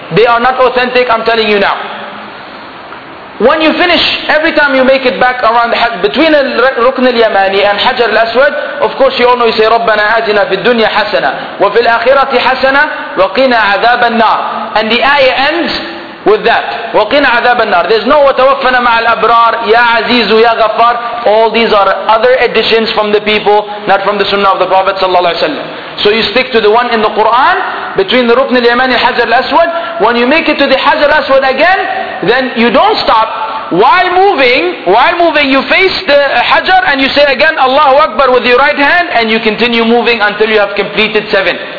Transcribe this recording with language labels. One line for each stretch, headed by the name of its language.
English: They are not authentic, I'm telling you now. When you finish, every time you make it back around the Hajj, between Rukn al-Yamani and Hajar al-Aswad, of course you all know, you say,
Arabic: رَبَّنَا آتِنَا فِي الدُّنْيَا حَسَنَا وَفِي الْآخِرَةِ حَسَنَا وَقِنَا عَذَابَ النَّارِ.
English: And the ayah ends with that.
Arabic: وَقِنَا عَذَابَ النَّارِ.
English: There's no
Arabic: وَتَوَفَّنَا مَعَ الْأَبْرَارِ يَا عَزِيزُ يَا غَفَّارِ.
English: All these are other additions from the people, not from the sunnah of the Prophet sallallahu alaihi wasallam. So you stick to the one in the Quran between the Rukn al-Yamani and Hajar al-Aswad. When you make it to the Hajar al-Aswad again, then you don't stop. While moving, you face the Hajar and you say again, Allahu Akbar, with your right hand, and you continue moving until you have completed seven.